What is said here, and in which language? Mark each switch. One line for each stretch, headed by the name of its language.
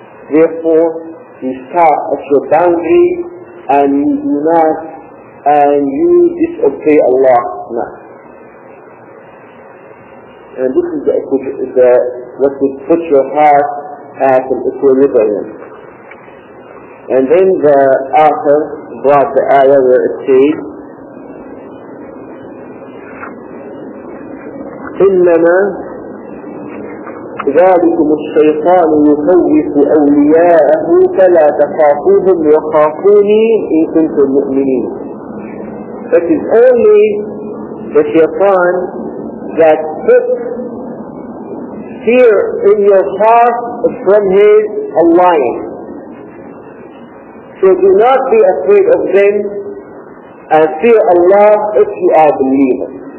English: Therefore, you start at your boundary and you do not, and you disobey Allah. Nah. And this is the what would put your heart at an equilibrium. And then the author brought the ayah where it says,
Arabic: إنما ذلكم الشيطان يخوف أولياءه فلا تخافوهم وخافوني إن كنتم مؤمنين.
English: It is only the shaitan that puts fear in your heart from his alliance. So do not be afraid of them and fear Allah if you are believers.